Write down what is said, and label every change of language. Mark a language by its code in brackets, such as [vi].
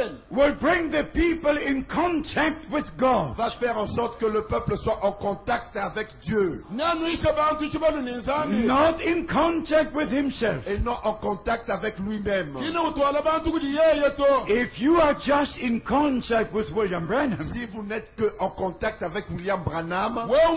[en] will bring the people in contact with God. [fr] Va faire en sorte que le peuple soit en contact avec Dieu. [en] Not in contact with himself. [fr] Et non en contact avec lui-même. [en] If you are just in contact with William Branham, [fr] si vous n'êtes que en contact avec William Branham,